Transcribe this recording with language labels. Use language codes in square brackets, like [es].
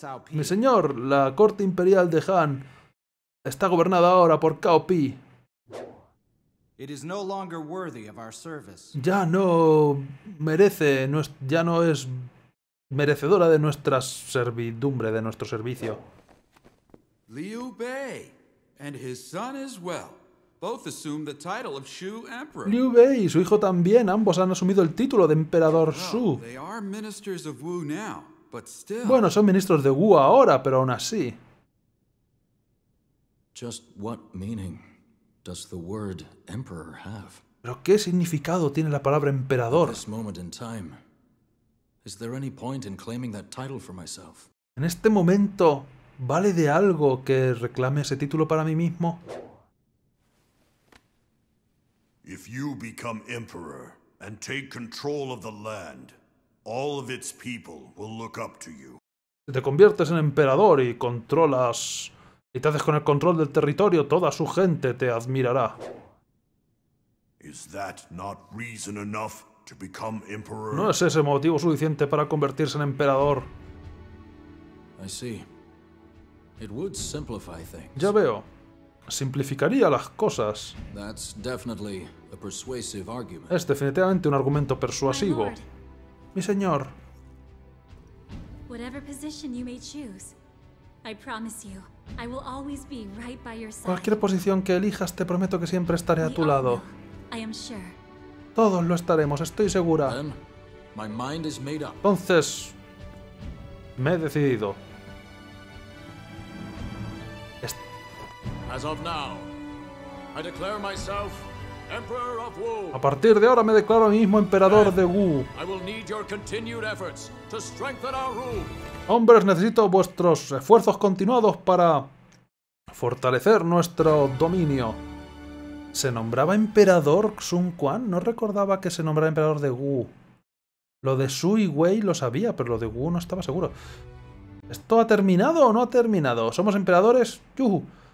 [es] Mi señor, la corte imperial de Han está gobernada ahora por Cao Pi. [en] It is no longer worthy of our service. [es] Ya no merece, ya no es merecedora de nuestra servidumbre, de nuestro servicio. [en] Liu Bei and his son as well, both assume the title of Shu Emperor. [es] Liu Bei y su hijo también, ambos han asumido el título de Emperador Shu. [en] Well, they are ministers of Wu now, but still. [es] Bueno, son ministros de Wu ahora, pero aún así. [en] Just what meaning does the word emperor have? [es] ¿Pero qué significado tiene la palabra emperador? [en] At this moment in time, is there any point in claiming that title for myself? [es] ¿En este momento vale de algo que reclame ese título para mí mismo? [en] If you become emperor and take control of the land, all of its people will look up to you. [es] Si te conviertes en emperador y controlas y te haces con el control del territorio, toda su gente te admirará. [en] Is that not reason enough to become emperor? [es] ¿No es ese motivo suficiente para convertirse en emperador? [en] I see. It would simplify things. [es] Ya veo. Simplificaría las cosas. [en] That's definitely a persuasive argument. [es] Es definitivamente un argumento persuasivo. Mi señor. [en] Whatever position you may choose, I promise you, I will always be right by your side. [es] Cualquier posición que elijas, te prometo que siempre estaré a tu lado. [en] I am sure. [es] Todos lo estaremos, estoy segura. [en] Then, my mind is made up. [es] Entonces, me he decidido. [en] As of now, I declare myself Emperor of Wu. [es] A partir de ahora me declaro a mí mismo emperador de Wu. [en] I will need your continued efforts to strengthen our rule. [es] Hombres, necesito vuestros esfuerzos continuados para fortalecer nuestro dominio. ¿Se nombraba emperador Sun Quan? No recordaba que se nombrara emperador de Wu. Lo de Su y Wei lo sabía, pero lo de Wu no estaba seguro. ¿Esto ha terminado o no ha terminado? ¿Somos emperadores? ¡Yuhu!